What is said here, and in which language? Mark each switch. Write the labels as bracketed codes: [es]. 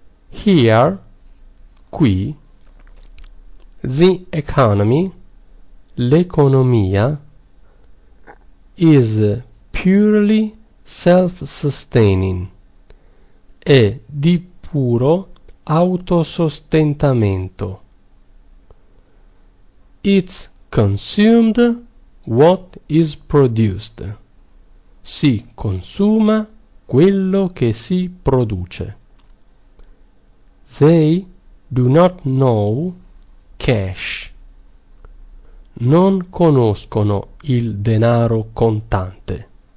[en] Here, [it] qui, [en] the economy, [it] l'economia, [en] is purely self-sustaining, [it] è di puro autosostentamento. [en] It's consumed what is produced. [it] Si consuma quello che si produce. [en] They do not know cash. [it] Non conoscono il denaro contante.